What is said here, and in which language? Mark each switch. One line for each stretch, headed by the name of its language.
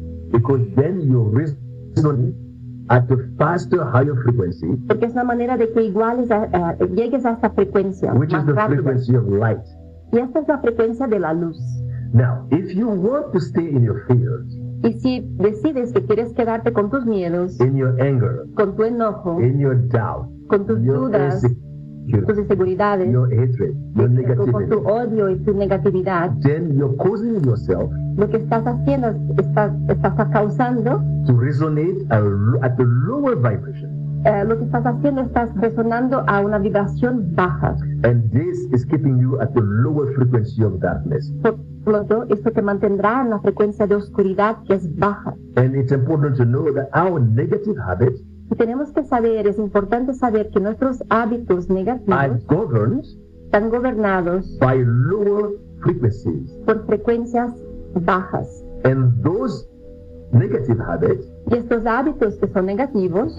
English: Because then you reason at a faster, higher frequency.
Spanish: Porque es la manera de que iguales llegues a esta frequencia.
English: Which
Spanish: más
English: is the
Spanish: rápido.
English: Frequency of light.
Spanish: Y esta es la frecuencia de la luz.
English: Now, if you want to stay in your fears.
Spanish: Y si decides que quieres quedarte con tus miedos.
English: In your anger.
Spanish: Con tu enojo.
English: In your doubt.
Spanish: Con tus dudas. Tus inseguridades.
English: Your hatred. Your negativity.
Spanish: Con tu odio y tu negatividad.
English: Then you're causing yourself.
Spanish: Lo que estás haciendo estás causando
English: to resonate at a lower vibration.
Spanish: Lo que estás haciendo estás resonando a una vibración baja.
English: And this is keeping you at the lower frequency of darkness.
Spanish: Por lo tanto, esto te mantendrá en la frecuencia de oscuridad que es baja.
English: And it's important to know that our negative habits.
Spanish: Y tenemos que saber, es importante saber que nuestros hábitos negativos
English: are governed
Spanish: están gobernados
English: by lower frequencies.
Spanish: Por frecuencias bajas.
English: And those negative habits
Spanish: y estos hábitos que son negativos